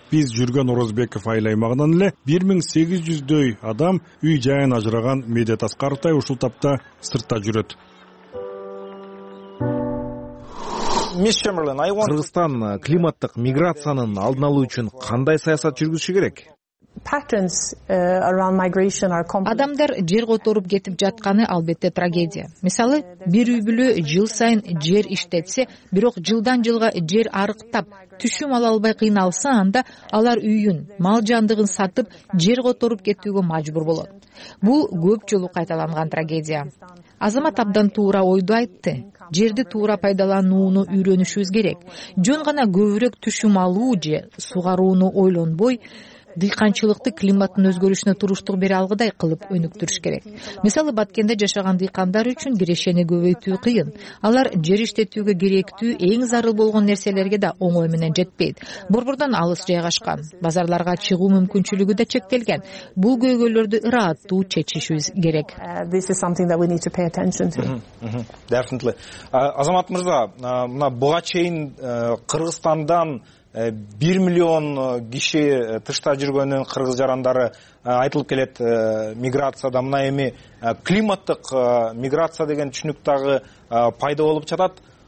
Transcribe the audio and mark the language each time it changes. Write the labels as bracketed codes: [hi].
[ky] Биз жүргөн Орозбеков айыл аймагынан эле 1800 адам үй жайын ажыраган Медет Аскаровтай ушул тапта сыртта жүрөт. Кыргызстан климаттык миграциянын алдын алуу үчүн кандай саясат жүргүзүшү керек? [en] Patterns around migration are complex. [ky] Адамдар жер которуп кетип жатканы албетте трагедия. Мисалы, бир үй бүлө жыл сайын жер иштетсе, бирок жылдан жылга жер арыктап, түшүм ала албай кыйналса, анда алар үйүн, мал жандыгын сатып, жер которуп кетүүгө мажбур болот. Бул көп жолу кайталанган трагедия. Азамат абдан туура ойду айтты. Жерди туура пайдаланууну үйрөнүшүбүз керек. Жөн гана көбүрөк түшүм алуу же сугарууну ойлонбой, дыйканчылыкты климаттын өзгөрүшүнө туруштук бере алгыдай кылып өнүктүрүш керек. Мисалы, Баткенде жашаган дыйкандар үчүн кирешени көбөйтүү кыйын. Алар жер иштетүүгө керектүү эң зарыл болгон нерселерге да оңой менен жетпейт. Борбордон алыс жайгашкан, базарларга чыгуу мүмкүнчүлүгү да чектелген. Бул көйгөйлөрдү ырааттуу чечишибиз керек. [en] This is something that we need to pay attention to. Definitely. [ky] Азамат мырза, мына буга чейин Кыргызстандан 1,000,000 киши тышта жүргөнүн кыргыз жарандары айтылып келет миграцияда. Мына эми климаттык миграция деген түшүнүк дагы пайда болуп жатат.